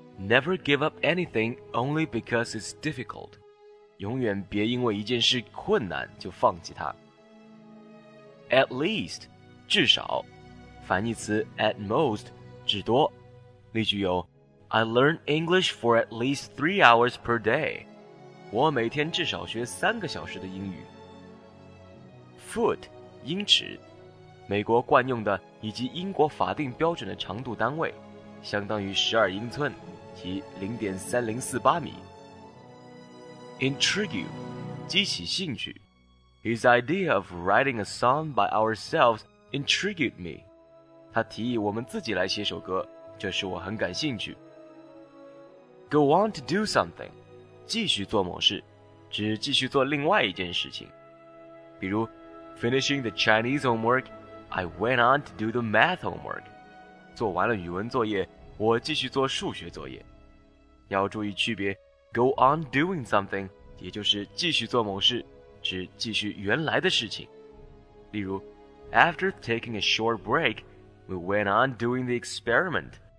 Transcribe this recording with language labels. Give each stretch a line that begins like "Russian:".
English: Never give up anything only because it's difficult.
Chinese: 永远别因为一件事困难就放弃它。
English: At least,
Chinese: 至少。反义词 at most, 至多。例句有
English: I learn English for at least 3 hours per day.
Chinese: 我每天至少学3个小时的英语。
English: Foot,
Chinese: 英尺。美国惯用的以及英国法定标准的长度单位，相当于12英寸，即 0.3048 米。
English: Intrigue,
Chinese: 激起兴趣。
English: His idea of writing a song by ourselves intrigued me.
Chinese: 他提议我们自己来写首歌，这使我很感兴趣。
English: Go on to do something,
Chinese: 继续做某事，只继续做另外一件事情。比如
English: ,Finishing the Chinese homework, I went on to do the math homework.
Chinese: 做完了语文作业，我继续做数学作业。要注意区别。
English: Go on doing something,
Chinese: 也就是继续做某事，指继续原来的事情。例如
English: ,After taking a short break, we went on doing the experiment.